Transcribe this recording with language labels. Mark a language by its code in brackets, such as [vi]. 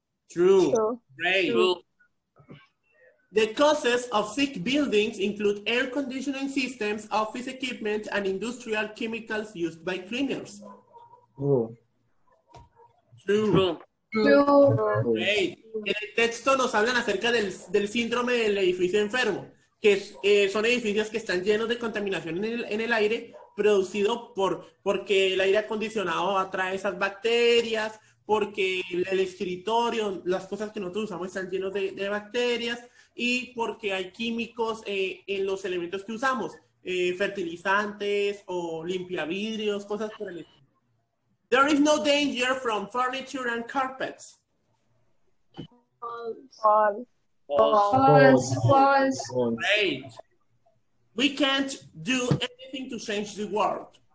[en] True. Great. True. The causes of sick buildings include air conditioning systems, office equipment, and industrial chemicals used by cleaners. True. Great. [es] En el texto nos hablan acerca del síndrome del edificio enfermo, que es, son edificios que están llenos de contaminación en el aire, producido porque el aire acondicionado atrae esas bacterias, porque el escritorio, las cosas que nosotros usamos están llenos de bacterias, y porque hay químicos en los elementos que usamos, fertilizantes o limpiavidrios, cosas por el estilo. [en] There is no danger from furniture and carpets. False. Great. We can't do anything to change the world.